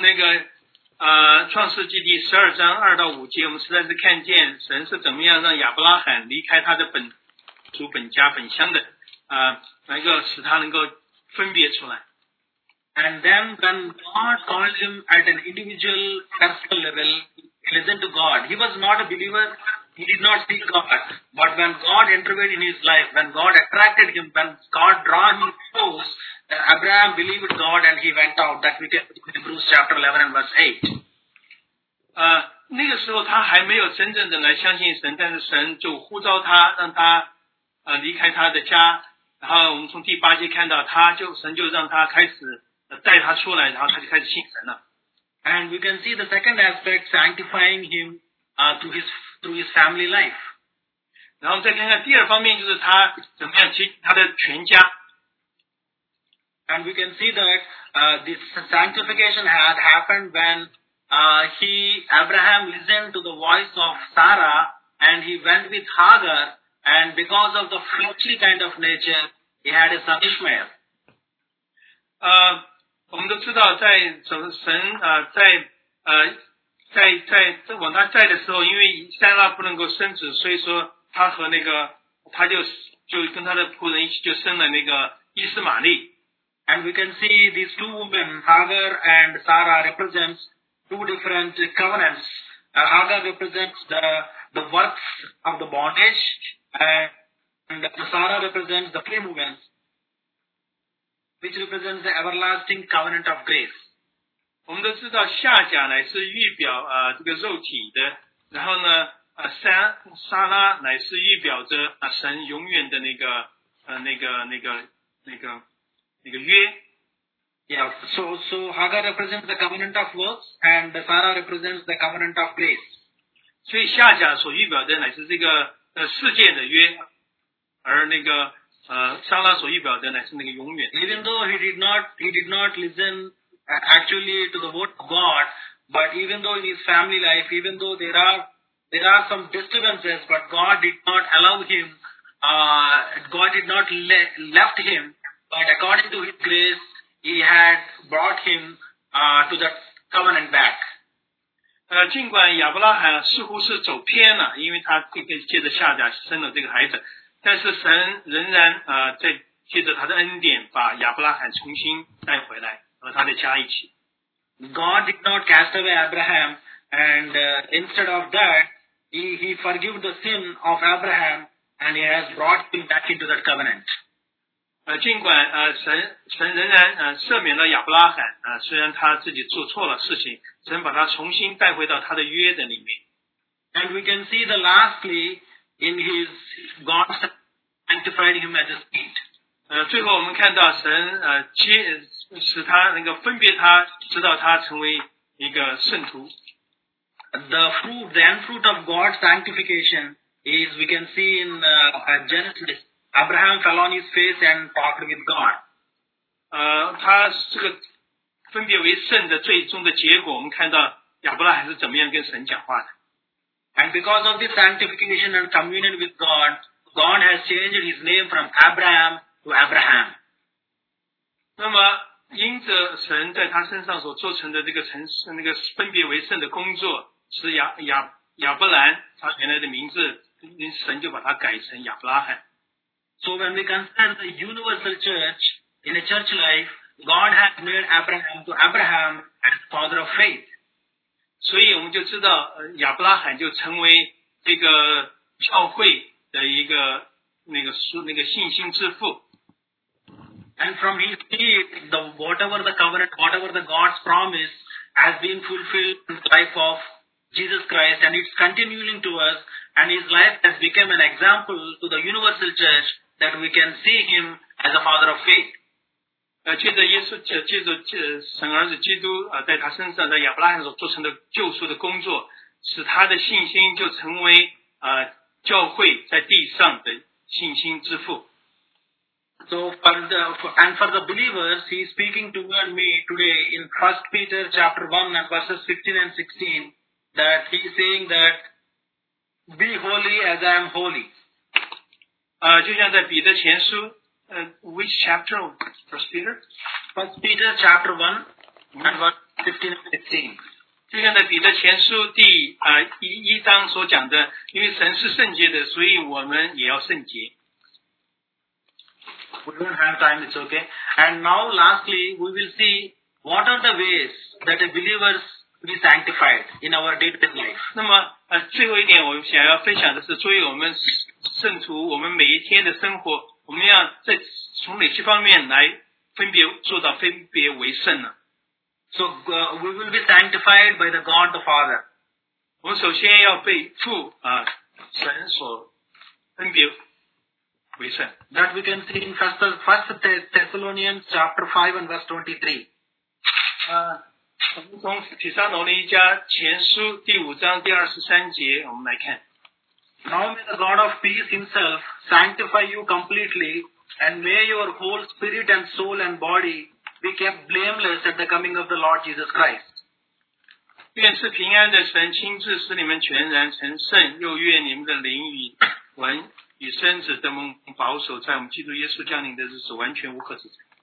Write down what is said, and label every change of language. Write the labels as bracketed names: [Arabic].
[Chinese] 我们从那个创世纪第十二章二到五节，我们实在是看见神是怎么样让亚伯拉罕离开他的本族、本家、本乡的能够使他能够分别出来。 [English] And then when God called him at an individual personal level, listen to God. He was not a believer. He did not seek God. But when God intervened in his life, when God attracted him, when God drew him. Abraham believed God and he went out. That we can see in Hebrews chapter 11 and verse 8. [Chinese] 那个时候他还没有真正的来相信神，但是神就呼召他，让他离开他的家。然后我们从第八节看到，神就让他开始带他出来，然后他就开始信神了。 [English] And we can see the second aspect, sanctifying him through his family life. [Chinese] 然后再看看第二方面，就是他怎么样去他的全家。 [English] And we can see that this sanctification had happened when Abraham listened to the voice of Sarah and he went with Hagar, and because of the fleshly kind of nature, he had a son Ishmael. [Chinese] 我们都知道在神在往他在的时候，因为塞拉不能够生子，所以说他和那个他就跟他的仆人一起就生了那个伊斯玛利。 [English] And we can see these two women, Hagar and Sarah, represents two different covenants. Hagar represents the works of the bondage, and Sarah represents the free movement, which represents the everlasting covenant of grace. [Chinese] 我们都知道夏甲乃是预表这个肉体的，然后呢，沙拉乃是预表着神永远的那个约。 [English] Yeah, so Hagar represents the covenant of works and Sarah represents the covenant of grace. [Chinese] 所以夏甲所预表的乃是这个世界的约，而那个沙拉所预表的乃是那个永远的约。 [English] Even though he did not listen actually to the word of God, but even though in his family life, even though there are some disturbances, but God did not allow him, God did not left him, but according to his grace, he had brought him to the covenant back. [Chinese] 尽管亚伯拉罕似乎是走偏了，因为他借着夏甲生了这个孩子，但是神仍然在借着他的恩典把亚伯拉罕重新带回来和他的家一起。 [English] God did not cast away Abraham, and instead of that, he forgave the sin of Abraham, and he has brought him back into that covenant. [Chinese] 尽管神仍然赦免了亚伯拉罕，虽然他自己做错了事情，神把他重新带回到他的约的里面。 [English] And we can see the lastly in his God sanctified him as a saint. [Chinese] 最后我们看到神使他那个分别他，直到他成为一个圣徒。 [English] The end fruit of God's sanctification is we can see in Genesis. Abraham fell on his face and talked with God. [Chinese] 他这个分别为圣的最终的结果，我们看到亚伯拉罕是怎么样跟神讲话的。 [English] And because of this sanctification and communion with God, God has changed his name from Abraham to Abraham. [Chinese] 那么因着神在他身上所做成的这个分别为圣的工作，是亚伯兰，他原来的名字，神就把他改成亚伯拉罕。 [English] So when we consider the universal church, in a church life, God has made Abraham to Abraham as father of faith. [Chinese] 所以我们就知道亚伯拉罕就成为这个教会的一个信心之父。 [English] And from his seed, whatever the covenant, whatever the God's promise has been fulfilled in the life of Jesus Christ, and it's continuing to us, and his life has become an example to the universal church. That we can see him as a father of faith. [Chinese] 借着耶稣，借着神儿子基督在他身上的亚伯拉罕所做成的救赎的工作，使他的信心就成为教会在地上的信心之父。 [English] So for the believers, he is speaking to you and me today in 1 Peter chapter 1 and verses 15 and 16, that he is saying that be holy as I am holy. [Chinese] 就像在彼得前书 [English] which chapter? First Peter chapter 1 and verse 15 and 16, [Chinese] 就像在彼得前书第一章所讲的，因为神是圣洁的，所以我们也要圣洁。 [English] We don't have time, it's okay. And now lastly, we will see what are the ways that a believer be sanctified in our day-to-day life. [Chinese] 那么最后一点我想要分享的是，注意我们圣徒，我们每一天的生活，我们要在从哪些方面来分别做到分别为圣呢？ [English] So we will be sanctified by the God the Father. [Chinese] 我们首先要被父神所分别为圣。 [English] That we can see in First Thessalonians chapter 5 and verse 23. [Chinese] 我们从提撒罗尼迦前书第五章第23节我们来看。 [English] Now may the God of peace himself sanctify you completely, and may your whole spirit and soul and body be kept blameless at the coming of the Lord Jesus Christ. [Chinese] 愿是平安的神亲自使你们全然成圣，又愿你们的灵与魂与身子都蒙保守，在我们基督耶稣降临的日子完全无可指责。